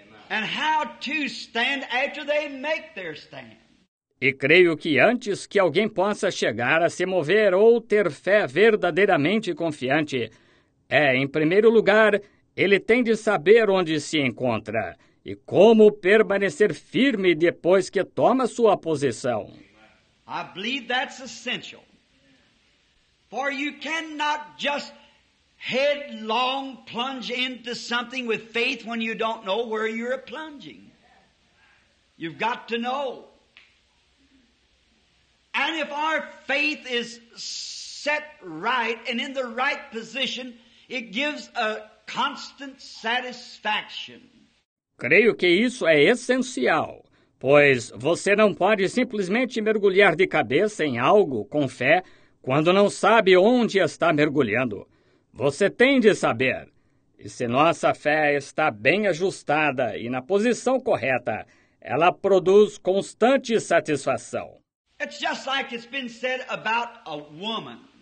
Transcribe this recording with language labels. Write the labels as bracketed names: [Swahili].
[English] And how to stand after they make their stand. [Portuguese] E creio que antes que alguém possa chegar a se mover ou ter fé verdadeiramente confiante, é, em primeiro lugar, ele tem de saber onde se encontra e como permanecer firme depois que toma sua posição. [English] I believe that's essential. For you cannot just headlong plunge into something with faith when you don't know where you're plunging. You've got to know. And if our faith is set right and in the right position, it gives a constant satisfaction. [Portuguese] Creio que isso é essencial, pois você não pode simplesmente mergulhar de cabeça em algo com fé quando não sabe onde está mergulhando. Você tem de saber, E se nossa fé está bem ajustada e na posição correta, ela produz constante satisfação. [English] It's just like it's been said about a woman.